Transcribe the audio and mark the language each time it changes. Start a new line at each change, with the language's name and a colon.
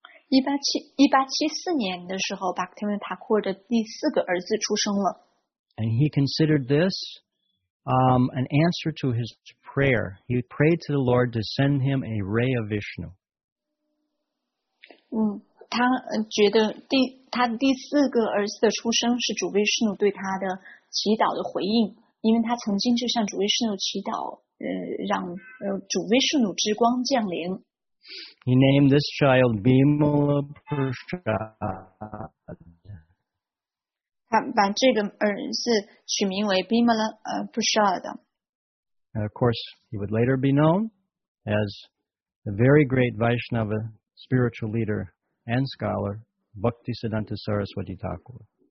Chinese: 1874年的时候, Bhaktivinoda Thakur的第四个儿子出生了。
English: And he considered this an answer to his prayer. He prayed to the Lord to send him a ray of Vishnu.
Chinese: 他觉得他第四个儿子的出生是主维士努对他的祈祷的回应，因为他曾经就向主维士努祈祷，让主维士努之光降临。
English: He named this child Bimala Prasad.
Chinese: 他把这个儿子取名为 Bimala Prasad.
English: And of course, he would later be known as the very great Vaishnava spiritual leader and scholar Bhaktisiddhanta Saraswati Thakur.